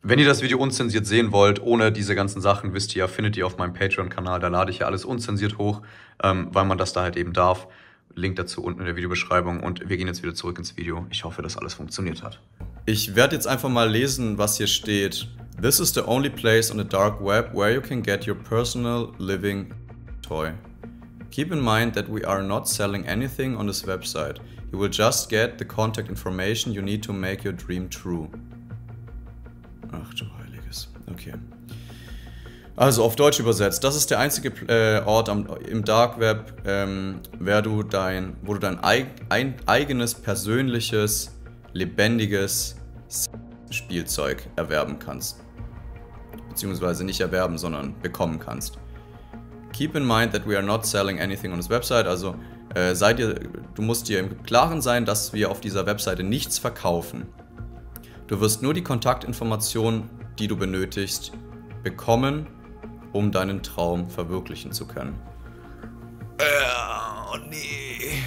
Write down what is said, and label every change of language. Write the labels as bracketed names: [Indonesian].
[German] Wenn ihr das Video unzensiert sehen wollt, ohne diese ganzen Sachen, wisst ihr ja, findet ihr auf meinem Patreon-Kanal. Da lade ich ja alles unzensiert hoch, weil man das da halt eben darf. Link dazu unten in der Videobeschreibung und wir gehen jetzt wieder zurück ins Video. Ich hoffe, dass alles funktioniert hat. Ich werde jetzt einfach mal lesen, was hier steht. [English] This is the only place on the dark web where you can get your personal living toy. Keep in mind that we are not selling anything on this website. You will just get the contact information you need to make your dream true. [German] Ach du Heiliges. Okay. Also auf Deutsch übersetzt, das ist der einzige Ort im Dark Web, wo du dein eigenes, persönliches, lebendiges Spielzeug erwerben kannst. Beziehungsweise nicht erwerben, sondern bekommen kannst. [English] Keep in mind that we are not selling anything on this website. [German] Also du musst dir im Klaren sein, dass wir auf dieser Webseite nichts verkaufen. Du wirst nur die Kontaktinformationen, die du benötigst, bekommen um deinen Traum verwirklichen zu können. Oh nee.